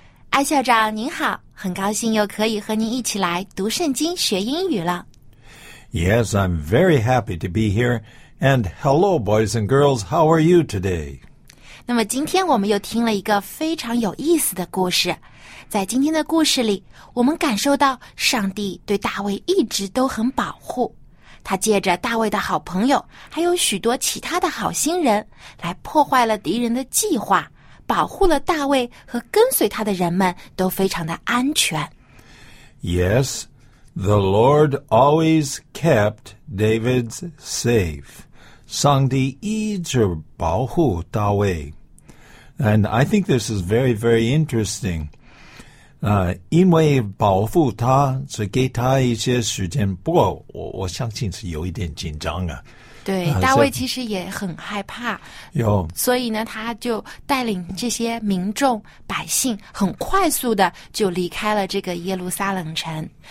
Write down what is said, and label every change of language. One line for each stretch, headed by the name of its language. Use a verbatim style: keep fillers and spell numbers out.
Chinese: 艾校长您好，很高兴又可以和您一起来读圣经学英语了。
English: Yes, I'm very happy to be here. And hello, boys and girls, how are you today?
Chinese: 那么今天我们又听了一个非常有意思的故事。在今天的故事里，我们感受到上帝对大卫一直都很保护。他借着大卫的好朋友，还有许多其他的好心人，来破坏了敌人的计划。保护了大卫和跟随他的人们都非常的安全。
English: Yes, the Lord always kept David's safe.
Chinese: 上帝一直保护大卫。
English: And I think this is very, very interesting.
Chinese: 呃、uh, 因为保护他，所以给他一些时间。不过我我相信是有一点紧张啊。对，大卫其实也很害怕，有，所以呢，他就带领这些民众百姓，很快速的就离开了这个耶路撒冷城。